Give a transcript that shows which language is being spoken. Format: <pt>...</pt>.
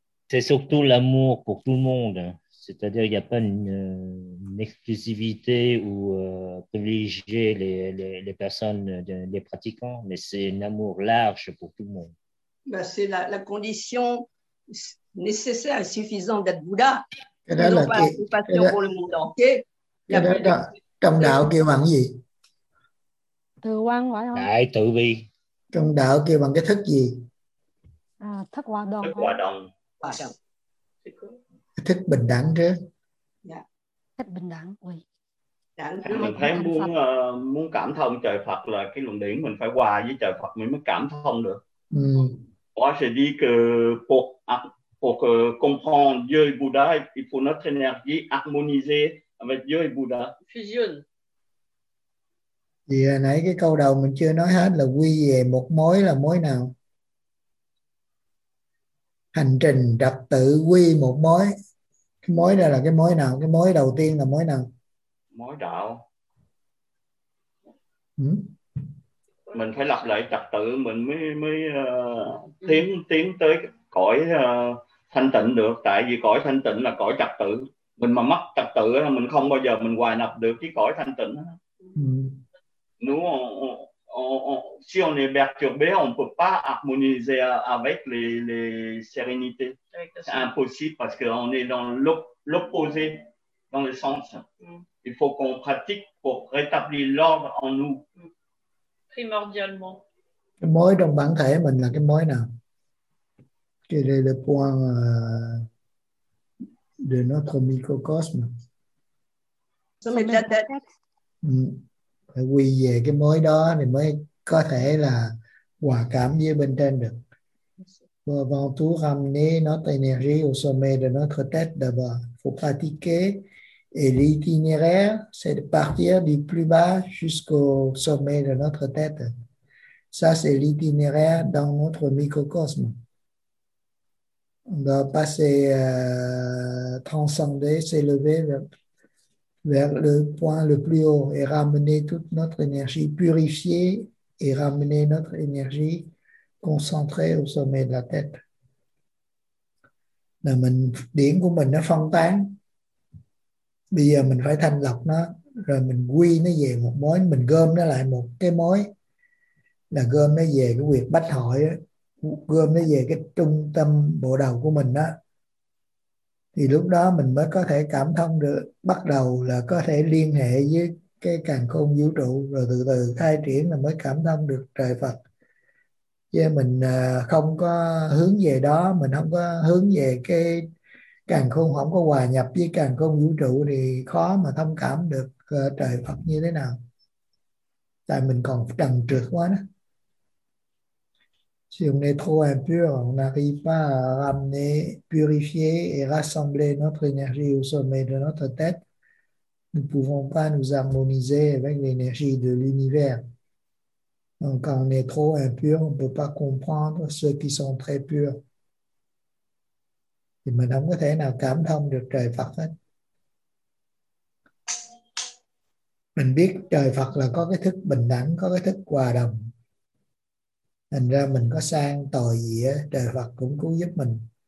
<fr>C'est surtout l'amour pour tout le monde. C'est-à-dire qu'il n'y a pas une exclusivité ou privilégier les personnes, les pratiquants, mais c'est un amour large pour tout le monde. Ben, c'est la condition nécessaire et suffisante d'être Bouddha.</fr> <vi>Cái đó là</vi> <fr>pas pour le monde entier.</fr> <vi>Cái đó trong đạo kêu bằng gì? Từ quan phải không? Đại tự bi. Trong đạo kêu bằng cái thức gì? Thức hòa đồng. Thức hòa đồng. Cái thức bình đẳng chứ. Thức bình đẳng. Mình thấy muốn cảm thông trời Phật là cái luận điển mình phải hòa với trời Phật mình mới cảm thông được.</vi> <fr>Moi, je dis que pour comprendre Dieu et Bouddha, il faut notre énergie harmonisée avec Dieu et Bouddha. Fusion.</fr> <vi>Thì hồi nãy cái câu đầu mình chưa nói hết là quy về một mối là mối nào? Hành trình trật tự quy một mối. Cái mối đó là cái mối nào? Cái mối đầu tiên là mối nào? Mối đạo. Ừ? Mình phải lập lại trật tự mình mới tiến tới cõi thanh tịnh được. Tại vì cõi thanh tịnh là cõi trật tự. Mình mà mất trật tự là mình không bao giờ mình hòa nhập được cái cõi thanh tịnh. Ừ.</vi> <fr>Nous, si on est perturbé, on ne peut pas harmoniser avec les sérénités. C'est impossible parce qu'on est dans l'opposé, dans le sens. Il faut qu'on pratique pour rétablir l'ordre en nous. Primordialement.</fr> <vi>Le mối trong bản thể mình là cái mối nào?</vi> <fr>Quel est le point de notre microcosme? Sommet de la tête.</fr> <vi>Phải quy về cái mối đó thì mới có thể là hòa cảm với bên trên được.</vi> <fr>Pour avant tout ramener notre énergie au sommet de notre tête d'abord, faut pratiquer et l'itinéraire c'est de partir du plus bas jusqu'au sommet de notre tête. Ça c'est l'itinéraire dans notre microcosme. On doit passer transcender, s'élever vers le point le plus haut et ramener toute notre énergie purifiée et ramener notre énergie concentrée au sommet de la tête.</fr> <vi>Là mình, điểm của mình nó phân tán. Bây giờ mình phải thanh lọc nó, rồi mình quy nó về một mối, mình gom nó lại một cái mối, là gom nó về cái huyệt bách hội, gom nó về cái trung tâm bộ đầu của mình đó. Thì lúc đó mình mới có thể cảm thông được, bắt đầu là có thể liên hệ với cái càn khôn vũ trụ, rồi từ từ khai triển là mới cảm thông được trời Phật. Chứ mình không có hướng về đó, mình không có hướng về cái càn khôn, không có hòa nhập với càn khôn vũ trụ thì khó mà thông cảm được trời Phật như thế nào. Tại mình còn trần trượt quá đó.</vi> <fr>Si on est trop impur, on n'arrive pas à ramener, purifier et rassembler notre énergie au sommet de notre tête. Nous ne pouvons pas nous harmoniser avec l'énergie de l'univers. Donc, quand on est trop impur, on ne peut pas comprendre ceux qui sont très purs.</fr> <vi>Et mình không có thể nào cảm thông được trời Phật hết. Mình biết trời Phật là có cái thức bình đẳng, có cái thức hòa đồng. Thành ra mình có sang tội gì á, trời Phật cũng cứu giúp mình.</vi>